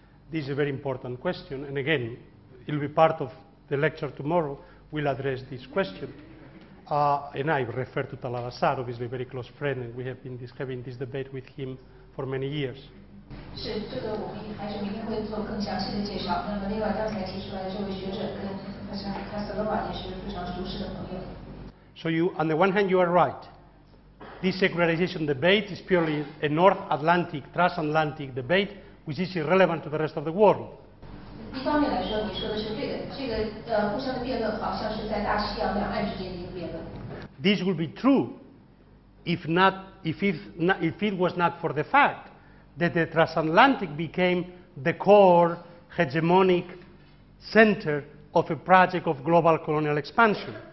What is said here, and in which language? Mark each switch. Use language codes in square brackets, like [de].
[en] This is a very important question, and again, it will be part of the lecture tomorrow, we'll address this question. And I refer to Tal al-Assad, obviously a very close friend, and we have been having this debate with him for many years. [zh] 是，这个我们还是明天会做更详细的介绍。那么另外刚才提出来这位学者跟他像卡斯罗瓦也是非常熟识的朋友。So [en] you, on the one hand, you are right. This secularization debate is purely a North Atlantic, transatlantic debate, which is irrelevant to the rest of the world. [zh] 一方面来说，你说的是这个，这个互相的辩论好像是在大西洋两岸之间的一个辩论。 [en] This would be true if it was not for the fact that the transatlantic became the core hegemonic center of a project of global colonial expansion.